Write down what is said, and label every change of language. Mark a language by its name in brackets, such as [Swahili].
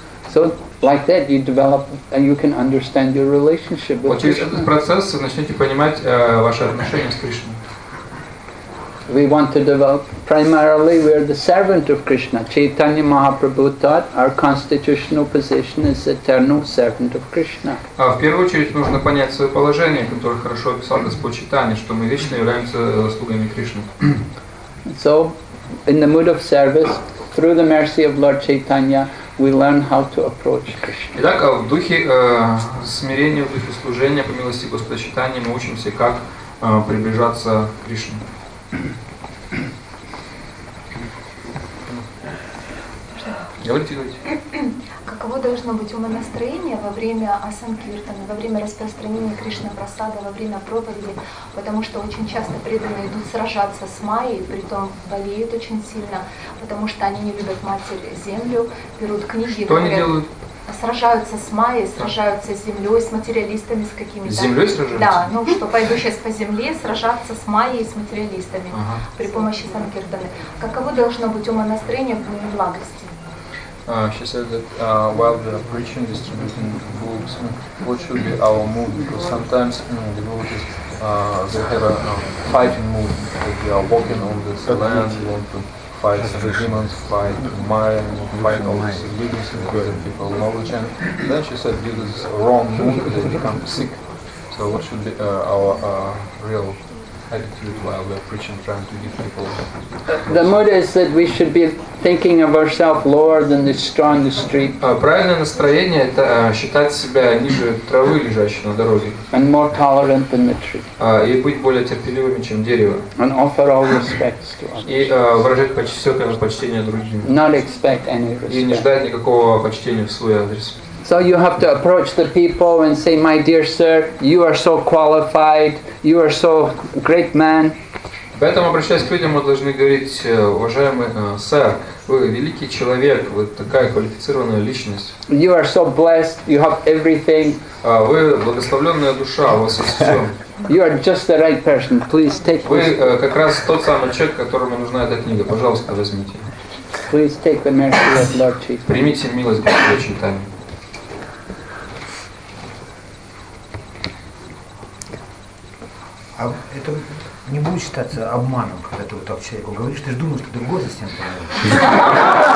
[English] So like that, you develop and you can understand your relationship with Krishna. [Russian] Вот через этот процесс вы начнете понимать ваши отношения с Кришной. [English] We want to develop. Primarily, we are the servant of Krishna. Chaitanya Mahaprabhu taught our constitutional position is eternal servant of Krishna. [Russian] В первую очередь нужно понять свое положение, которое хорошо описал Господь Чайтанья, что мы вечно являемся слугами Кришны. [English] So, in the mood of service, through the mercy of Lord Chaitanya, we learn how to approach Krishna. [Russian] Итак, в духе смирения, в духе служения, по милости Господа Чайтанья, мы учимся, как приближаться к Кришне. Как каково должно быть умонастроение во время асан-киртана, во время распространения Кришна-прасада, во время проповеди, потому что очень часто преданные идут сражаться с майей, притом болеют очень сильно, потому что они не любят Матерь-Землю, берут книги. Что они делают? Сражаются с майей, сражаются с землей, с материалистами, с какими-то. С землей сражаются? Да, ну что, пойду сейчас по земле сражаться с майей, с материалистами, ага, при помощи санкиртаны. Каково должно быть умонастроение в Буме Благости? [English] She said that while we are preaching, distributing books, what should be our mood? Because sometimes devotees, they have a fighting mood, like we are walking on this land, we want to fight some demons, fight Maya, fight all these illusions, and get people knowledge. And then she said, due to this wrong mood, they become sick. So what should be our real attitude while we are preaching, trying to give people... The mood is that we should be thinking of ourselves lower than the straw in the street. [Russian] Правильное настроение – это считать себя ниже травы, лежащей на дороге. [English] And more tolerant than the tree. [Russian] И быть более терпеливым, чем дерево. [English] And offer all respects to others. [Russian] И выражать всякое почтение другим. [English] Not expect any respect. [Russian] И не ждать никакого почтения в свой адрес. [English] So you have to approach the people and say, my dear sir, you are so qualified, you are so great man. [Russian] Поэтому, обращаясь к людям, мы должны говорить, уважаемый сэр, вы великий человек, вы такая квалифицированная личность. [English] You are so blessed, you have everything. [Russian] Вы благословленная душа, у вас есть все. [English] You are just the right person, please take this. [Russian] Вы как раз тот самый человек, которому нужна эта книга, пожалуйста, возьмите. [English] Please take the mercy of Lord Chaitanya. [Russian] Примите милость Господа Чайтаньи. А это не будет считаться обманом, когда ты вот так человеку говоришь, ты же думаешь, что другой за стенкой